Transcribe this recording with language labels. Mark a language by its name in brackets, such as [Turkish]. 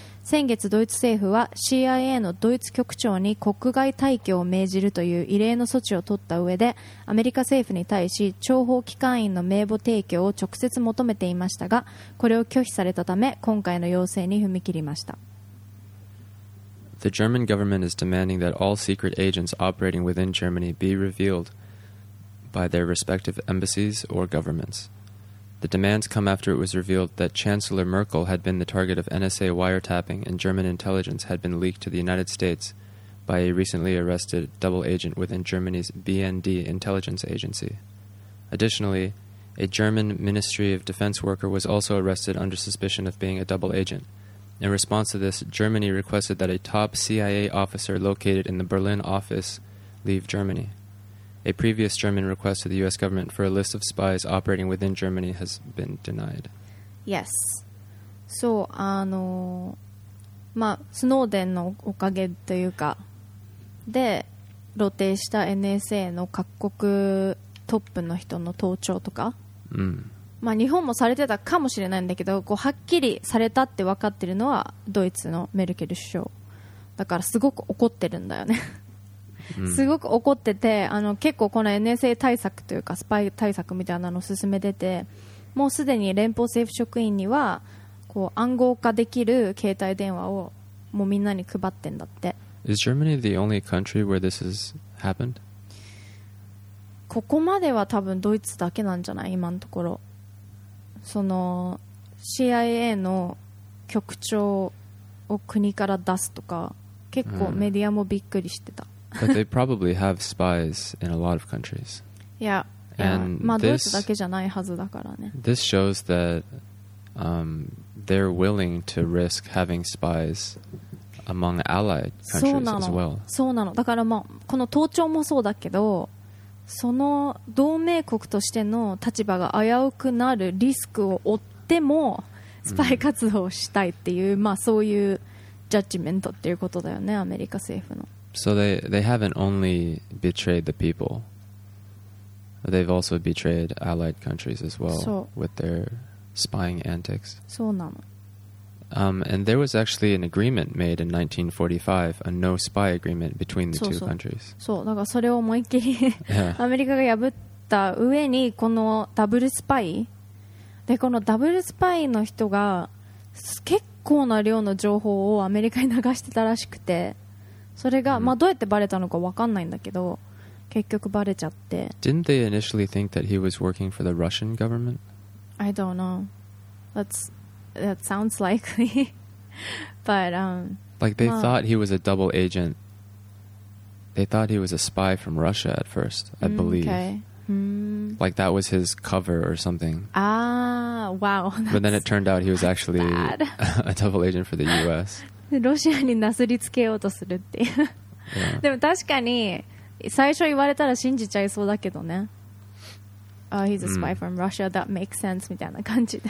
[Japanese] 先月ドイツ政府は CIA のドイツ局長に国外退去を命じるという異例の措置を取った上で、アメリカ政府に対し諜報機関員の名簿提供を直接求めていましたが、これを拒否されたため今回の要請に踏み切りました。 [English] The German government is demanding that all secret agents operating within Germany be revealed by their respective embassies or governments. The demands come after it was revealed that Chancellor Merkel had been the target of NSA wiretapping and German intelligence had been leaked to the United States by a recently arrested double agent within Germany's BND intelligence agency. Additionally, a German Ministry of Defense worker was also arrested under suspicion of being a double agent. In response to this, Germany requested that a top CIA officer located in the Berlin office leave Germany. A previous German request to the U.S. government for a list of spies operating within Germany has been denied. Yes. [Japanese] そう、まあ、スノーデンのおかげというか、で、露呈した NSA の各国トップの人の盗聴とか、まあ、日本もされてたかもしれないんだけど、こうはっきりされたって分かってるのはドイツのメルケル首相。だからすごく怒ってるんだよね。すごく怒ってて、結構この NSA 対策というかスパイ対策みたいなのを進めてて、もうすでに連邦政府職員にはこう暗号化できる携帯電話をもうみんなに配ってんだって。 [English] Is Germany the only country where this has happened? [Japanese] ここまでは多分ドイツだけなんじゃない、今のところ。その CIA の局長を国から出すとか、結構メディアもびっくりしてた。 [English] But they probably have spies in a lot of countries. Yeah. [Japanese] And まあ、ドイツだけじゃないはずだからね。 [English] This shows that, they're willing to risk having spies among allied countries as well. [Japanese] そうなの。だから、まあ、この盗聴もそうだけど、その同盟国としての立場が危うくなるリスクを負ってもスパイ活動をしたいっていう、まあ、そういうジャッジメントっていうことだよね、アメリカ政府の。 [English] So they haven't only betrayed the people. They've also betrayed allied countries as well with their spying antics. [Japanese] そうなの。 [English] And there was actually an agreement made in 1945, a no spy agreement between the two countries. [Japanese] そう、だからそれを思いっきりアメリカが破った上に、このダブルスパイで、このダブルスパイの人が結構な量の情報をアメリカに流してたらしくて、それが、まあ、どうやってバレたのか分かんないんだけど、結局バレちゃって。 [English] Didn't they initially think that he was working for the Russian government? I don't know. That sounds likely. But, Like, they thought he was a double agent. They thought he was a spy from Russia at first, I believe. Okay. Like, that was his cover or something. Ah, wow. But then it turned out he was actually a double agent for the U.S. [Japanese] ロシアになすりつけようとするっていう、 [English] yeah. [Japanese] でも確かに最初言われたら信じちゃいそうだけどね。 [English] Oh, he's a spy from Russia, that makes sense [Japanese] みたいな感じで。